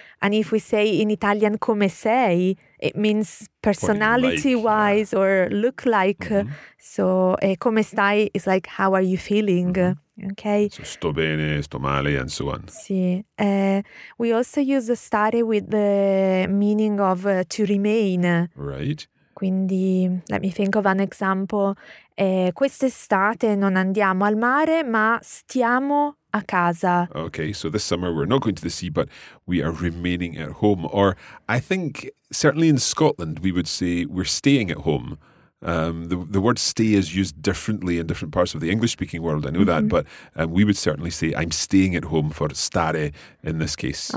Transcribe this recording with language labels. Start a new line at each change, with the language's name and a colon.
English: And if we say in Italian
Italian: come sei,
English: it means personality-wise or look like. Mm-hmm. So
Italian: come stai
English: is like, how are you feeling? Mm-hmm. Okay. So,
Italian: sto bene, sto male,
English: and so on.
Italian: Sì.
English: We also use the stare with the meaning of to remain. Right. Quindi, let me think of an example.
Italian: Quest'estate non andiamo al mare, ma stiamo a casa.
English: Okay, so this summer we're not going to the sea, but we are remaining at home. Or I think, certainly in Scotland, we would say we're staying at home. The word stay is used differently in different parts of the English-speaking world, I know mm-hmm. that, but we would certainly say I'm staying at home for stare in this case.